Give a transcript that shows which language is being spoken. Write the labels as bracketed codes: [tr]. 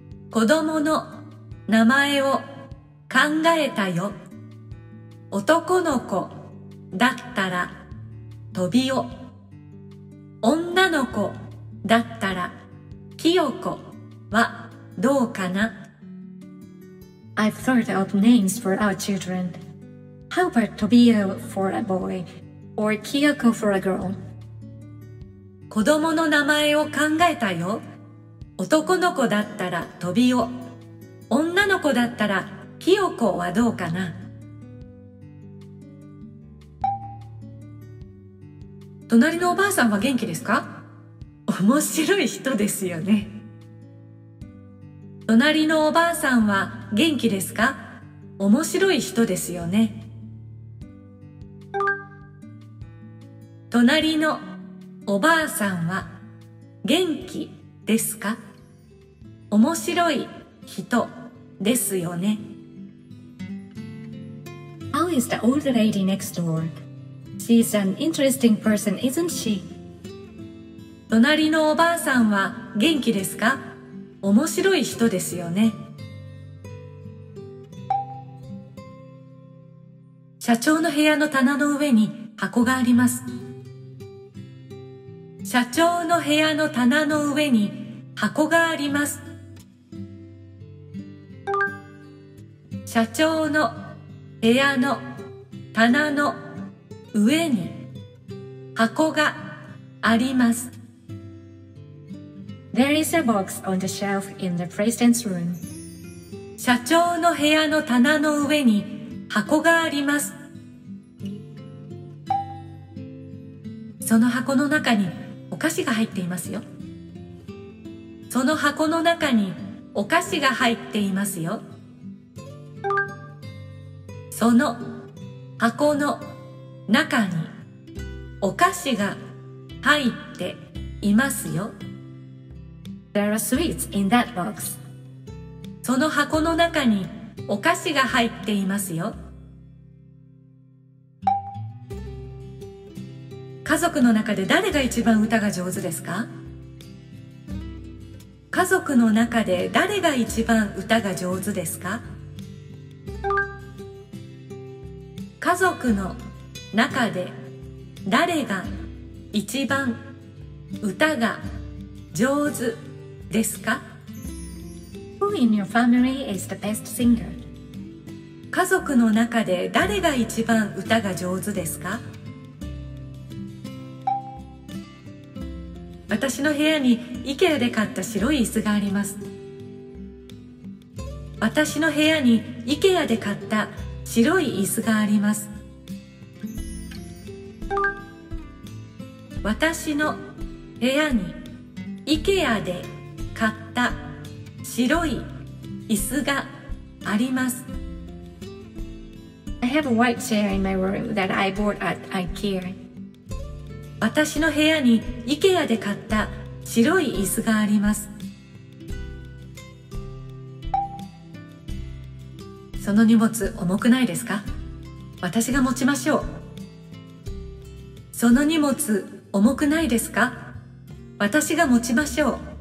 [ja] 子供の名前を考えたよ。男の子だったらトビオ、女の子だったらキヨコはどうかな。 [en] I've thought of names for our children. How about Tobio for a boy or Kiyoko for a girl? [ja] 子供の名前を考えたよ。男の子だったらトビオ、女の子だったらキヨコはどうかな。隣のおばあさんは元気ですか？面白い人ですよね。隣のおばあさんは元気ですか？面白い人ですよね。隣のおばあさんは元気ですか？面白い人ですよね。 [en] How is the old lady next door? She's an interesting person, isn't she? [ja] 隣のおばあさんは元気ですか？面白い人ですよね。社長の部屋の棚の上に箱があります。社長の部屋の棚の上に箱があります。社長の部屋の棚の上に箱があります。 [en] There is a box on the shelf in the president's room. [ja] 社長の部屋の棚の上に箱があります。その箱の中にお菓子が入っていますよ。その箱の中にお菓子が入っていますよ。その箱の中にお菓子が入っていますよ。 [en] There are sweets in that box. [ja] その箱の中にお菓子が入っていますよ。家族の中で誰が一番歌が上手ですか？家族の中で誰が一番歌が上手ですか？家族の中で誰が一番歌が上手ですか？ [en] Who in your family is the best singer? [ja] 家族の中で誰が一番歌が上手ですか？私の部屋にIKEAで買った白い椅子があります。私の部屋にIKEAで買った白い椅子があります。私の部屋にIKEAで買った白い椅子があります。 [en] I have a white chair in my room that I bought at IKEA. [ja] 私の部屋にIKEAで買った白い椅子があります。その荷物重くないですか？私が持ちましょう。その荷物重くないですか？私が持ちましょう。